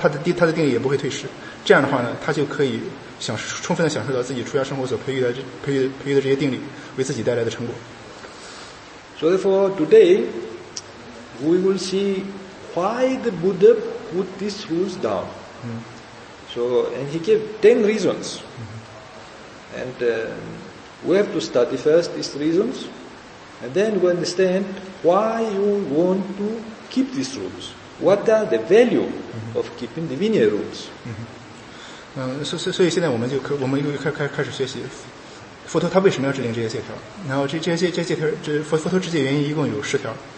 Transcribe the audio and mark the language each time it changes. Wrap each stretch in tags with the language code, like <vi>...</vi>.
<zh>所以说，对一个聪明出家人来说呢，他有一定会遵守这些戒条，比如说那个不，那这比方说不能妄语，不能偷窃，不能触摸女人等等。这样的话呢，他现在有效的调育自己的身心，然后居士们其他人也都不会责备他，并且呢，他的定力也不会退失。这样的话呢，他就可以 充分的享受到自己出家生活所培育的这些定力，为自己带来的成果。</zh> <en>So therefore, today we will see why the Buddha put these rules down. So, and he gave 10 reasons. And we have to study first these reasons, and then we understand why you want to keep these rules. What are the value of keeping the Vinaya rules?</en> <zh>所以现在我们就开始学习佛陀他为什么要制定这些戒条，然后这些戒条，这佛陀制戒原因一共有10条。</zh>